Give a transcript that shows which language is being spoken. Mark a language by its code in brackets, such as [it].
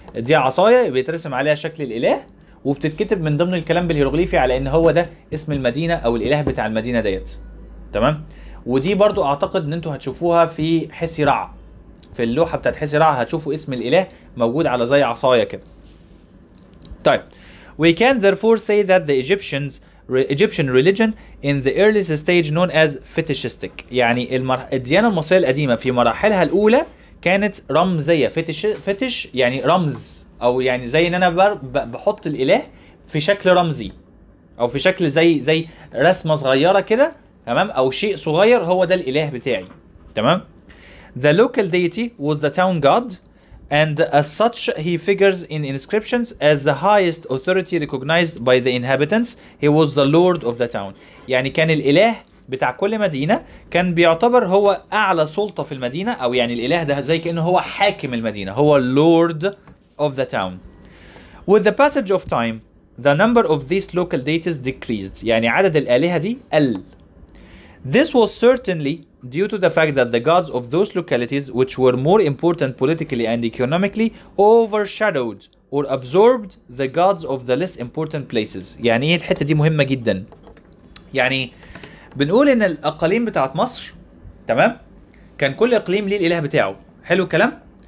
[ar] دي عصاية بيترسم عليها شكل الاله وبتتكتب من ضمن الكلام بالهيروغليفي على ان هو ده اسم المدينة او الاله بتاع المدينة ديت، تمام. ودي برضو اعتقد ان انتوا هتشوفوها في حسي رع، في اللوحة بتاعت حسي رع هتشوفوا اسم الاله موجود على زي عصاية كده. [en] طيب، we can therefore say that the Egyptians Egyptian religion in the earliest stage known as fetishistic. [ar] يعني الديانة المصرية القديمة في مراحلها الأولى كانت رمزية. فتش يعني رمز، أو يعني زي إن أنا بحط الإله في شكل رمزي أو في شكل زي رسمة صغيرة كده، تمام، أو شيء صغير هو ده الإله بتاعي، تمام. [en] The local deity was the town god and as such he figures in inscriptions as the highest authority recognized by the inhabitants. He was the lord of the town. [ar] يعني كان الاله بتاع كل مدينة كان بيعتبر هو اعلى سلطة في المدينة، او يعني الاله ده زي كأنه هو حاكم المدينة، هو [en] lord of the town. With the passage of time the number of these local deities decreased. [ar] يعني عدد الالهة دي قل. [en] This was certainly due to the fact that the gods of those localities which were more important politically and economically overshadowed or absorbed the gods of the less important places. [ar] يعني ايه الحتة دي مهمة جدا؟ يعني بنقول ان الاقاليم بتاعت مصر، تمام، كان كل اقليم ليه الاله بتاعه، حلو الكلام.